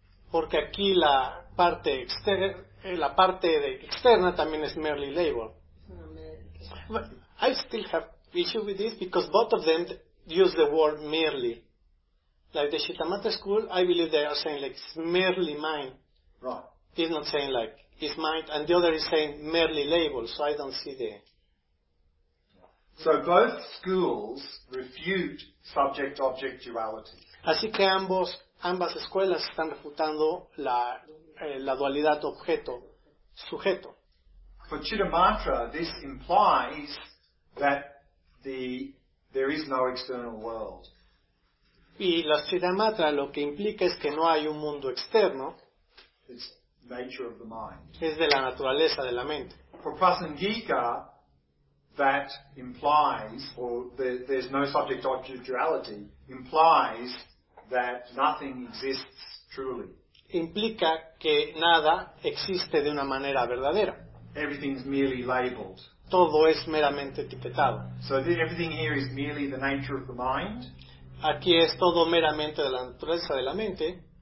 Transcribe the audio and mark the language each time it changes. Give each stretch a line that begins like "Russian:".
Spanish: Porque aquí la parte externa, externa también es
English: merely labeled. But I still have issue with this because both of them use the word merely. Like the Chittamatra school, I believe they are saying like it's merely mind. Right. It's not saying like it's mind, and the other is saying merely labeled. So I don't see the. So both schools refute subject-object duality.
Spanish: Así que ambas escuelas están refutando la dualidad objeto-sujeto.
English: For Chittamatra, this implies that there is no external world.
Spanish: Y la Chittamatra lo que implica es que no hay un mundo externo.
English: It's nature of the mind.
Spanish: Es de la naturaleza de la mente.
English: For Prasangika, that implies, or there's no subject-object duality, implies that nothing exists truly.
Spanish: Implica que nada existe de una manera verdadera.
English: Everything's merely labeled.
Spanish: Todo es meramente etiquetado.
English: So everything here is merely the nature of the mind.
Spanish: Aquí es todo meramente de la naturaleza de la mente.